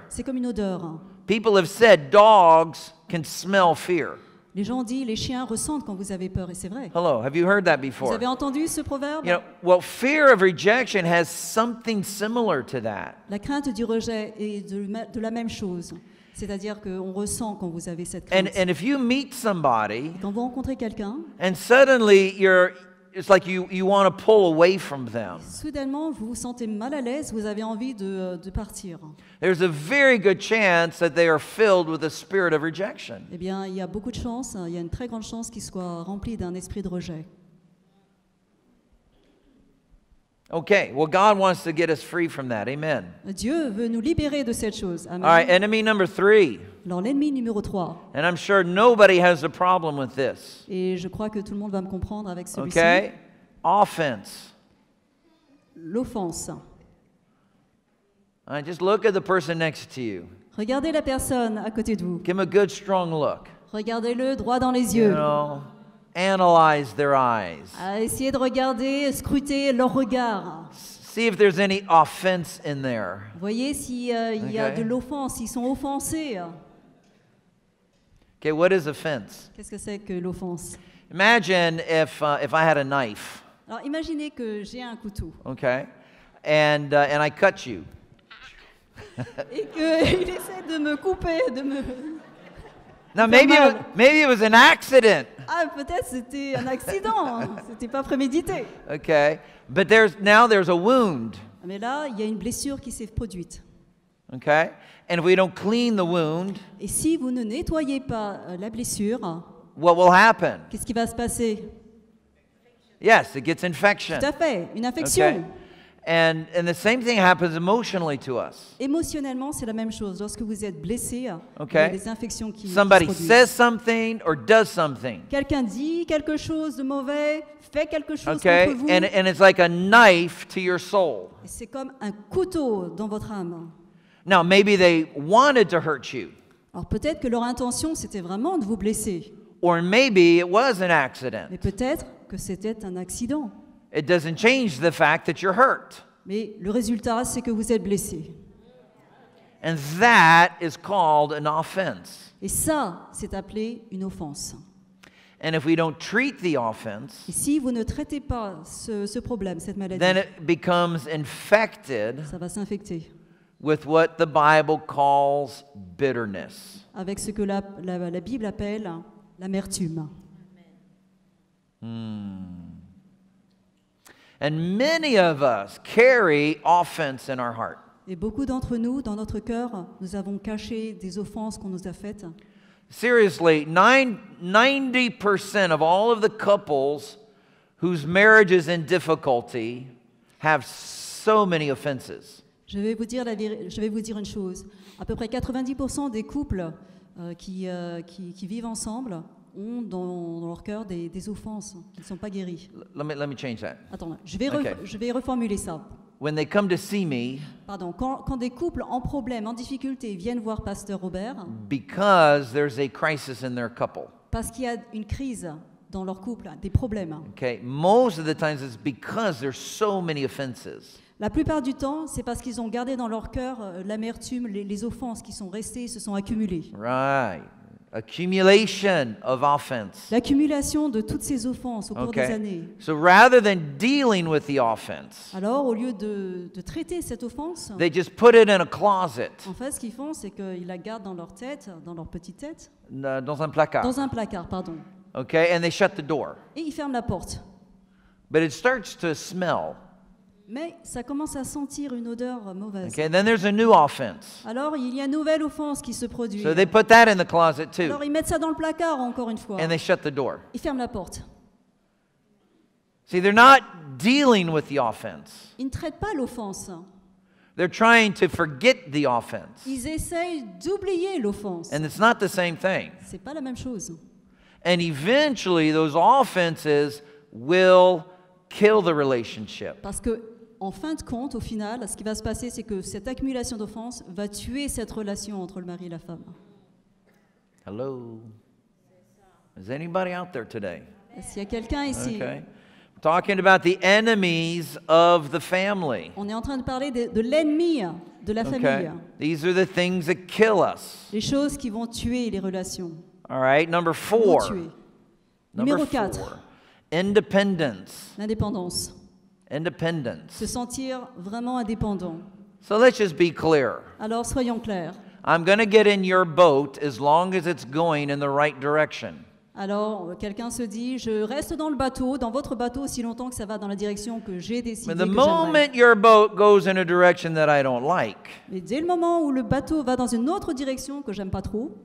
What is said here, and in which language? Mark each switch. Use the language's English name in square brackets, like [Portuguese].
[French] C'est comme une odeur. [English] People have said dogs can smell fear. [French] Les gens disent, les chiens ressentent quand vous avez peur, et c'est vrai. [English] Hello, have you heard that before? [French] Vous avez entendu ce proverbe? [English] You know, well, fear of rejection has something similar to that. [French] La crainte du rejet est de la même chose. C'est-à-dire qu'on ressent quand vous avez cette crainte. [English] And if you meet somebody, [French] quand vous rencontrez quelqu'un, [English] and suddenly it's like you want to pull away from them. [French] Soudainement, vous vous sentez mal à l'aise, vous avez envie de partir. [English] There's a very good chance that they are filled with a spirit of rejection. [French] Eh bien, il y a beaucoup de chances, il y a une très grande chance qu'ils soient remplis d'un esprit de rejet. [English] Okay, well, God wants to get us free from that. Amen. [French] Dieu veut nous libérer de cette chose. Amen. [English] All right, enemy number three. [French] Alors, l'ennemi numéro 3. [English] And I'm sure nobody has a problem with this. [French] Et je crois que tout le monde va me comprendre avec celui-ci. [English] Okay, offense. [French] L'offense. [English] All right, just look at the person next to you. [French] Regardez la personne à côté de vous. [English] Give him a good, strong look. [French] Regardez-le droit dans les yeux. [English] You know, analyze their eyes. [French] Essayez de regarder, scruter leur regard. [English] See if there's any offense in there. [French] Voyez si il y a de l'offense, ils sont offensés. [English] Okay, what is offense? [French] Qu'est-ce que c'est que l'offense? [English] Imagine if I had a knife. [French] Alors imaginez que j'ai un couteau. [English] Okay. And I cut you. [French] Et que il essaie de me couper, de me. [English] Now maybe it was an accident. [French] Ah, peut-être c'était un accident. C'était pas prémédité. [English] Okay, but there's a wound. [French] Mais là, il y a une blessure qui s'est produite. [English] Okay, and if we don't clean the wound. [French] Et si vous ne nettoyez pas la blessure. [English] What will happen? [French] Qu'est-ce qui va se passer? [English] Yes, it gets infection. [French] Tout à fait, une infection. [English] Okay. And the same thing happens emotionally to us. [French] Émotionnellement, c'est la même chose. Lorsque vous êtes blessé, [English] okay. [French] Il y a des infections qui [English] somebody [French] qui se [English] says something or does something. [French] Quelqu'un dit quelque chose de mauvais, fait quelque chose [English] okay. [French] contre vous. [English] And it's like a knife to your soul. [French] Et c'est comme un couteau dans votre âme. [English] Now maybe they wanted to hurt you. [French] Alors peut-être que leur intention c'était vraiment de vous blesser. [English] Or maybe it was an accident. [French] Mais peut-être que c'était un accident. [English] It doesn't change the fact that you're hurt. [French] Mais le résultat, c'est que vous êtes blessé. [English] And that is called an offense. [French] Et ça, c'est appelé une offense. [English] And if we don't treat the offense, [French] et si vous ne traitez pas ce problème, cette maladie, [English] then it becomes infected. [French] Ça va s'infecter. [English] With what the Bible calls bitterness. [French] Avec ce que la Bible appelle l'amertume. [English] And many of us carry offense in our heart. [French] Et beaucoup d'entre nous, dans notre cœur, nous avons caché des offenses qu'on nous a faites. [English] Seriously, 90% of all of the couples whose marriage is in difficulty have so many offenses. [French] Je vais vous dire la je vais vous dire une chose. À peu près 90% des couples qui vivent ensemble ont dans leur cœur des offenses qui ne sont pas guéries. [English] Let me change that. [French] Attends, je vais reformuler ça. [English] When they come to see me, [French] quand des couples en problème, en difficulté viennent voir Pasteur Robert, [English] because there's a crisis in their couple. [French] Parce qu'il y a une crise dans leur couple, des problèmes. [English] Okay, most of the times it's because there's so many offenses. [French] La plupart du temps, c'est parce qu'ils ont gardé dans leur cœur l'amertume, les offenses qui sont restées, se sont accumulées. [English] Right. Accumulation of offense. [French] L'accumulation de toutes ces offenses au cours des années. [English] So rather than dealing with the offense, [French] alors au lieu de traiter cette offense, [English] they just put it in a closet. [French] En fait, ce qu'ils font, c'est qu'ils la gardent dans leur tête, dans leur petite tête. Dans un placard. Dans un placard, pardon. [English] Okay, and they shut the door. [French] Et ils ferment la porte. [English] But it starts to smell. [French] Mais ça commence à sentir une odeur mauvaise. [English] Okay, then there's a new offense. [French] Alors, il y a une nouvelle offense qui se produit. [English] So they put that in the closet too. [French] Alors, ils mettent ça dans le placard encore une fois. [English] And they shut the door. [French] Ils ferment la porte. [English] See, they're not dealing with the offense. [French] Ils ne traitent pas l'offense. [English] They're trying to forget the offense. [French] Ils essayent d'oublier l'offense. [English] And it's not the same thing. [French] C'est pas la même chose. [English] And eventually, those offenses will kill the relationship. [French] Parce que en fin de compte, au final, ce qui va se passer, c'est que cette accumulation d'offenses va tuer cette relation entre le mari et la femme. [English] Hello. Is anybody out there today? [French] Est-ce qu'il y a quelqu'un ici? [English] Okay. Talking about the enemies of the family. [French] On est en train de parler de l'ennemi de la famille. [English] Okay. These are the things that kill us. [French] Les choses qui vont tuer les relations. [English] All right, number four. [French] Numéro 4. [English] Independence. [French] L'indépendance. [English] Independence. [French] Se sentir vraiment indépendant. [English] So let's just be clear. [French] Alors soyons clairs. [English] I'm going to get in your boat as long as it's going in the right direction. [French] Alors quelqu'un se dit, je reste dans le bateau, dans votre bateau, aussi longtemps que ça va dans la direction que j'ai décidé. [English] But the moment your boat goes in a direction that I don't like. [French] Mais dès le moment où le bateau va dans une autre direction que j'aime pas trop.